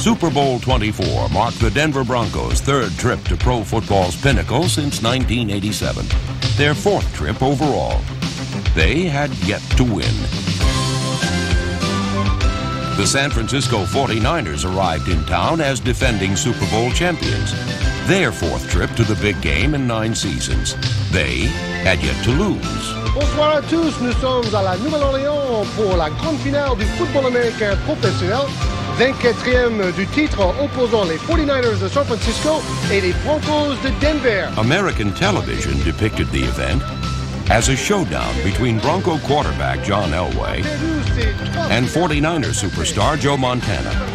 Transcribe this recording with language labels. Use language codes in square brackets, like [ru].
[en] Super Bowl 24 marked the Denver Broncos' third trip to pro football's pinnacle since 1987, their fourth trip overall. They had yet to win. The San Francisco 49ers arrived in town as defending Super Bowl champions, their fourth trip to the big game in nine seasons. They had yet to lose. [fr] Bonsoir à tous, nous sommes à la Nouvelle-Orléans pour la grande finale du football américain professionnel. 24e du titre opposant les 49ers de San Francisco et les Broncos de Denver. [en] American television depicted the event as a showdown between Bronco quarterback John Elway and 49ers superstar Joe Montana.